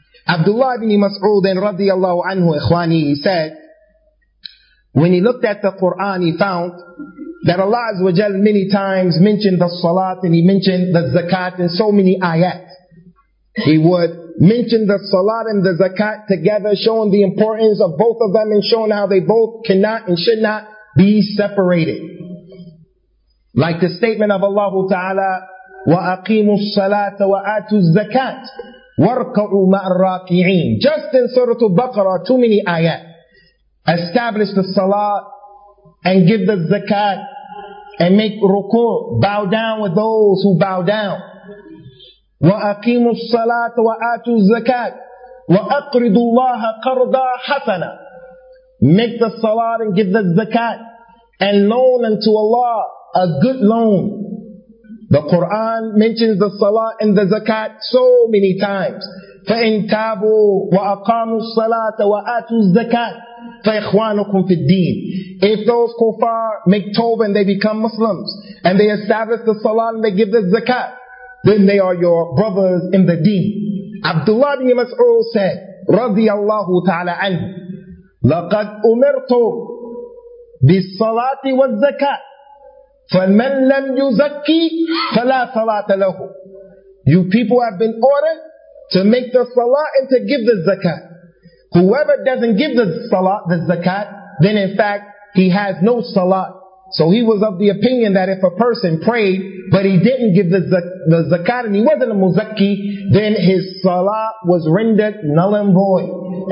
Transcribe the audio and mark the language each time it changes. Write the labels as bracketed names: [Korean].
[English] Abdullah ibn Mas'ud radiyallahu anhu ikhwani, he said, when he looked at the Quran, he found that Allah Azza wa Jal many times mentioned the Salat and he mentioned the Zakat in so many ayat. He would mention the Salat and the Zakat together, showing the importance of both of them and showing how they both cannot and should not be separated. Like the statement of Allah Ta'ala, [Arabic] وَأَقِيمُوا الصَّلَاةَ وَآتُوا الزَّكَاةَ وَارْكَعُوا مَعَ الرَّاكِعِينَ. [English] Just in Surah Al-Baqarah, too many ayat. Establish the Salat and give the Zakat and make ruku', bow down with those who bow down. [Arabic] وَأَقِيمُوا الصَّلَاةَ وَآتُوا الزَّكَاةَ وَأَقْرِضُوا اللَّهَ قَرْضًا حَسَنًا. [English] Make the Salat and give the Zakat and loan unto Allah a good loan. The Quran mentions the Salat and the Zakat so many times. [Arabic] فَإِنْ تَابُوا وَأَقَامُوا الصَّلَاةَ وَآتُوا الزَّكَاةَ فَإِخْوَانُكُمْ فِي الدِّينِ. [English] If those kuffar make tawbah and they become Muslims and they establish the Salat and they give the Zakat, then they are your brothers in the deen. Abdullah ibn Mas'ud said, radiyallahu ta'ala anhu, [Arabic] لَقَدْ أُمِرْتُمْ بِالصَّلَاةِ وَالزَّكَاةِ فَمَنْ لَمْ يُزَكِّي فَلَا صَلَاةَ لَهُ. [English] You people have been ordered to make the Salat and to give the Zakat. Whoever doesn't give the Salat, the Zakat, then in fact, he has no Salat. So he was of the opinion that if a person prayed, but he didn't give the Zakat and he wasn't a Muzakki, then his Salat was rendered null and void.